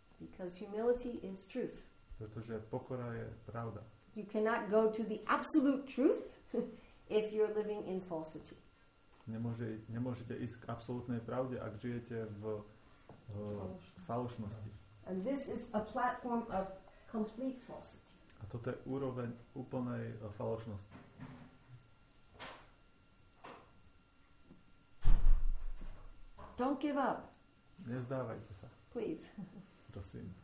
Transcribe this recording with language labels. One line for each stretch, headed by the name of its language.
English: Because humility is truth.
Slovak: Pretože pokora je pravda.
English: You cannot go to the absolute truth if you're living in falsity.
Slovak: Nemôžete ísť k absolútnej pravde, ak žijete v falošnosti.
English: And this is a platform of complete falsity.
Slovak: A toto je úroveň úplnej falošnosti.
English: Don't give up.
Slovak: Nezdávajte sa.
English: Please.
Slovak: Prosím.